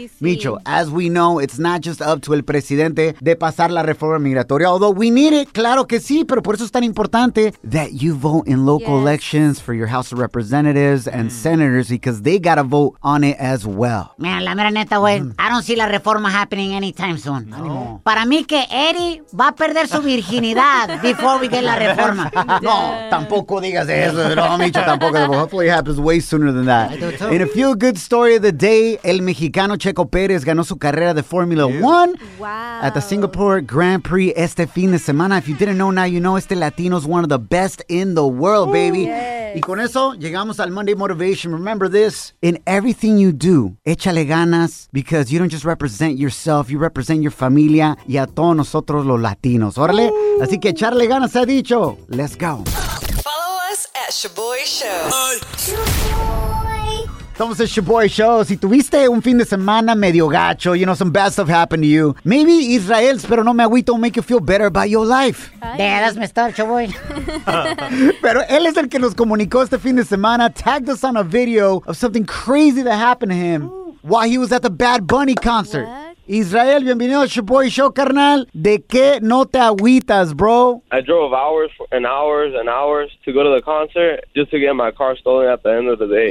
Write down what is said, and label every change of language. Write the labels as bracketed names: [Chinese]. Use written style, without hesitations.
[English] Micho, as we know, it's not just up to [Spanish] el presidente de pasar la reforma migratoria, [English] although we need it, [Spanish] claro que sí, pero por eso es tan importante [English] that you vote in local elections for your House of Representatives and Senators because they got to vote on it as well. [Spanish] Mira, la mera neta, güey, [English] I don't see [Spanish] la reforma [English] happening anytime soon. [Spanish] No. Para mí que Eddie va a perder su virginidad. [English] Before we get [Spanish] la reforma. No, tampoco digas eso. No, Micho, tampoco. [English] Hopefully it happens way sooner than that. In a few good story of the day, [Spanish] el mexicano Checo Pérez ganó su carrera de [English] Formula One at the Singapore Grand Prix [Spanish] este fin de semana. [English] If you didn't know, now you know, [Spanish] este latino [English] is one of the best in the world, baby. Ooh, yes. [Spanish] Y con eso, llegamos al [English] Monday Motivation. Remember this, in everything you do, [Spanish] échale ganas, [English] because you don't just represent yourself, you represent your [Spanish] familia y a todos nosotros los latinos. Órale, [English] ooh. [Spanish] Así que echarle ganas, se ha dicho. [English] Let's go. Follow us at Shaboy Show. [Spanish] Somos el Shaboy Show. Si tuviste un fin de semana medio gacho, [English] you know, some bad stuff happened to you. Maybe Israel, [Spanish] pero no me agüito, [English] make you feel better about your life. [Spanish] Déjame estar, Shaboy. Pero él es el que nos comunicó este fin de semana. [English] Tagged us on a video of something crazy that happened to him while he was at the Bad Bunny concert. What? [Spanish] Israel, bienvenido a Shaboy Show, carnal. ¿De qué no te agüitas, bro? [English] I drove hours and hours and hours to go to the concert just to get my car stolen at the end of the day.